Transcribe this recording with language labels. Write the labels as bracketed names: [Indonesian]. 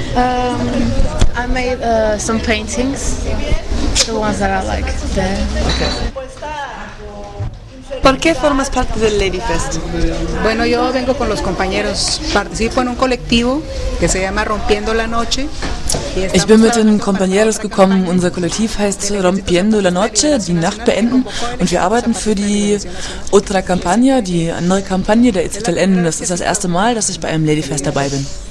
[English] I made some paintings, the ones that I like there. Okay. [Spanish] ¿Por qué formas parte del Ladyfest? Bueno, yo vengo con los compañeros. Participo en un colectivo que se llama Rompiendo la Noche. [German] Ich bin mit den Compañeros gekommen. Unser Kollektiv heißt Rompiendo la Noche, die Nacht beenden. Und wir arbeiten für die Otra Campaña, die andere Kampagne der EZLN. Das ist das erste Mal, dass ich bei einem Ladyfest dabei bin.